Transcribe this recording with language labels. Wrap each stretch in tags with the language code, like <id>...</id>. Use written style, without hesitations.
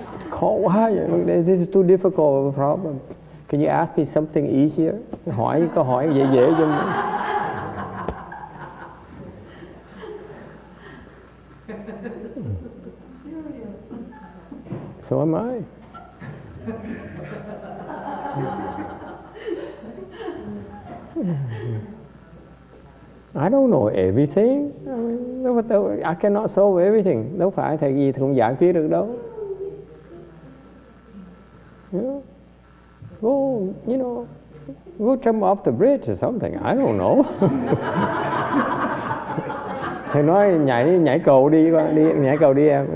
<vi>Khó quá vậy,</vi> <en>this is too difficult of a problem. Can you ask me something easier?</en> <vi>Hỏi câu hỏi dễ dễ cho mình.</vi> <en>So am I. I don't know everything. I cannot solve everything. Đâu phải thầy gì thì cũng giải quyết được đâu. Yeah. Well, you know, we'll jump off the bridge or something. I don't know.</en> <vi>Thầy nói nhảy cầu đi, đi nhảy cầu đi em.</vi>